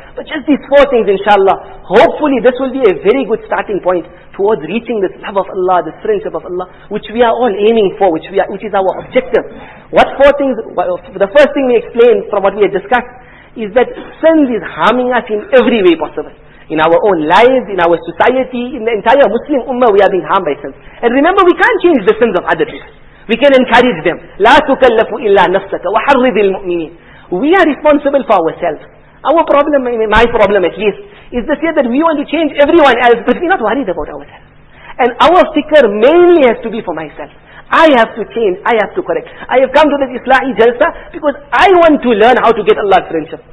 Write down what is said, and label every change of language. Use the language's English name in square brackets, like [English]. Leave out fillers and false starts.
[English] But just these four things, inshallah, hopefully this will be a very good starting point towards reaching this love of Allah, this friendship of Allah, which we are all aiming for, which is our objective. What four things? The first thing we explained from what we had discussed is that sin is harming us in every way possible. In our own lives, in our society, in the entire Muslim ummah, we are being harmed by sin. And remember, we can't change the sins of other people. We can encourage them. [Arabic] لا تكلف إلا نفسك وحرض المؤمنين. [English] We are responsible for ourselves. Our problem, my problem at least, is the fear that we want to change everyone else, but we're not worried about ourselves. And our fikr mainly has to be for myself. I have to change, I have to correct. I have come to this Islahi Jalsa because I want to learn how to get Allah's friendship.